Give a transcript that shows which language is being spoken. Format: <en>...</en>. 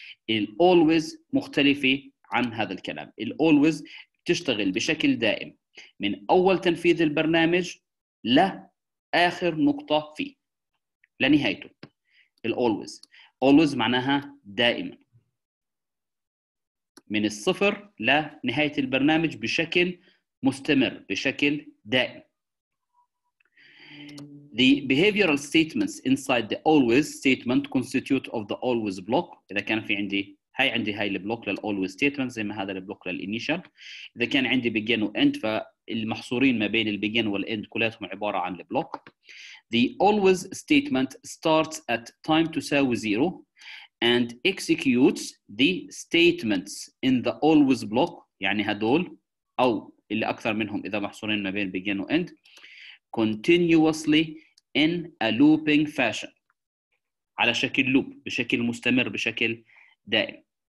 <ar>الاولويز مختلفه عن هذا الكلام، الاولويز تشتغل بشكل دائم من أول تنفيذ البرنامج لآخر نقطة فيه لنهايته. الأولويز، أولويز معناها دائما من الصفر لنهاية البرنامج بشكل مستمر بشكل دائم.</ar> <en>The behavioral statements inside the always statement constitute of the always block.</en> <ar>إذا كان في عندي هاي عندي هاي البلوك للالويز ستيتمنت زي ما هذا البلوك للانيشال. اذا كان عندي بيجن واند فالمحصورين ما بين البيجن والاند كلاتهم عباره عن البلوك.</ar> <en>The always statement starts at time</en> <ar>تساوي</ar> <en>zero and executes the statements in the always block،</en> <ar>يعني هذول او اللي اكثر منهم اذا محصورين ما بين بيجن واند،</ar> <en>continuously in a looping fashion،</en> <ar>على شكل لوب بشكل مستمر بشكل دائم.</ar>